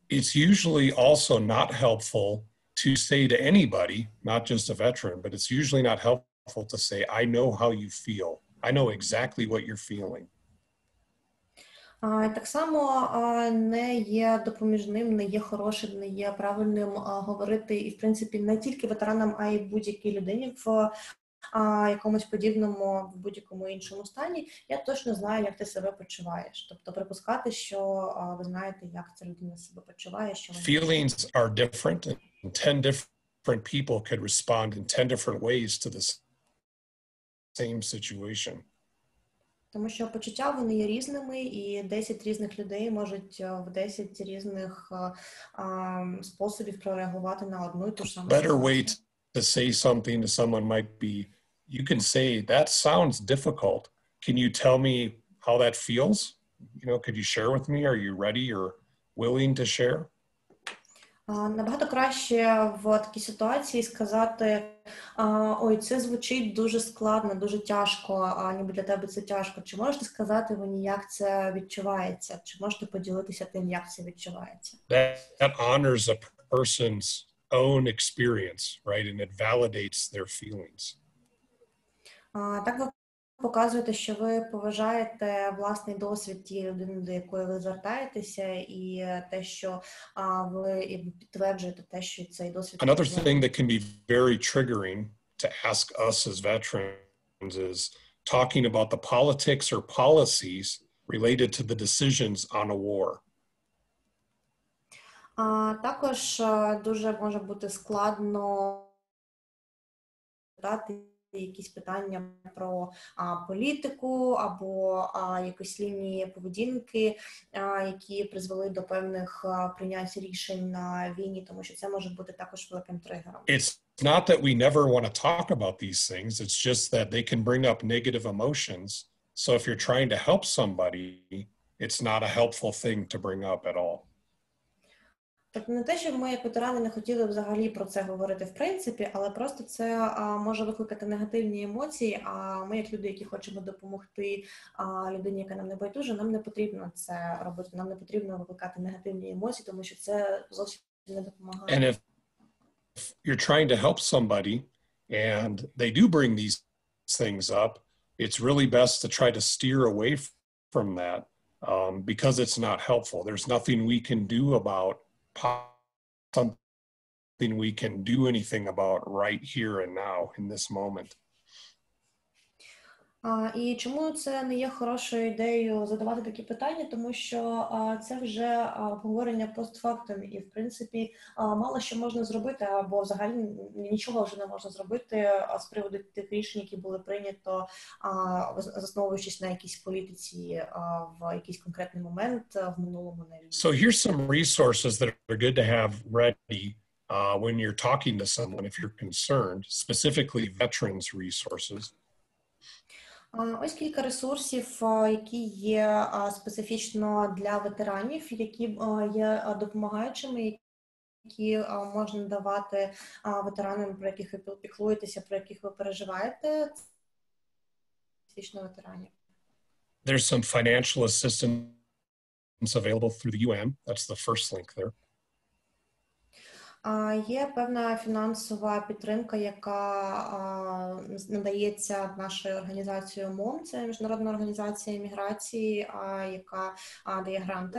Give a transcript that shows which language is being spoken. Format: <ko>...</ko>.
<en>It's usually also not helpful to say to anybody, not just a veteran, but it's usually not helpful to say, I know how you feel. I know exactly what you're feeling.</en> <uk>Так само не є допоміжним, не є хорошим, не є правильним говорити і, в принципі, не тільки ветеранам, а й будь-якій людині в якомусь подібному, в будь-якому іншому стані. Я точно знаю, як ти себе почуваєш. Тобто припускати, що ви знаєте, як ця людина себе почуває. Що</uk> <en>Feelings are different, and 10 different people could respond in 10 different ways to the same situation.</en> <uk>Тому що почуття вони є різними, і 10 різних людей можуть в 10 різних способів прореагувати на одну і ту ж саму.</uk> <en>Better way to say something to someone might be, you can say, that sounds difficult. Can you tell me how that feels? You know, could you share with me? Are you ready or willing to share?</en> <uk>Набагато краще в такій ситуації сказати, ой, це звучить дуже складно, дуже тяжко, ніби для тебе це тяжко. Чи можеш ти сказати мені, як це відчувається? Чи можеш ти поділитися тим, як це відчувається?</uk> <en>That honors a person's own experience, right? And it validates their feelings.</en> <uk>Так ви показуєте, що ви поважаєте власний досвід тієї людини, до якої ви звертаєтеся, і те, що ви підтверджуєте те, що цей досвід...</uk> <en>Another thing that can be very triggering to ask us as veterans is talking about the politics or policies related to the decisions on a war.</en> <uk>Також дуже може бути складно дати якісь питання про політику або якісь лінії поведінки, які призвели до певних прийняття рішень на війні, тому що це може бути також великим тригером.</uk> <en>It's not that we never want to talk about these things, it's just that they can bring up negative emotions. So if you're trying to help somebody, it's not a helpful thing to bring up at all.</en> <uk>Так не те, що ми як ветерани не хотіли взагалі про це говорити в принципі, але просто це може викликати негативні емоції, а ми як люди, які хочемо допомогти людині, яка нам не байдуже, нам не потрібно це робити, нам не потрібно викликати негативні емоції, тому що це зовсім не допомагає.</uk> <en>And if you're trying to help somebody and they do bring these things up, it's really best to try to steer away from that because it's not helpful. There's nothing we can do about something we can do anything about right here and now in this moment.</en> <uk>І чому це не є хорошою ідеєю задавати такі питання? Тому що це вже обговорення постфактом, і в принципі мало що можна зробити, або взагалі нічого вже не можна зробити з приводу тих рішень, які були прийнято, засновуючись на якійсь політиці в якийсь конкретний момент в минулому.</uk> <en>So here's some resources that are good to have ready when you're talking to someone if you're concerned, specifically veterans resources.</en> <uk>Ось кілька ресурсів, які є специфічно для ветеранів, які є допомагаючими, які можна давати ветеранам, про яких ви піклуєтеся, про яких ви переживаєте, специфічно ветеранів.</uk> <en>There's some financial assistance available through the UN. That's the first link there.</en> <uk>Є певна фінансова підтримка, яка надається нашою організацією МОМ, це міжнародна організація міграції, яка дає гранти.</uk>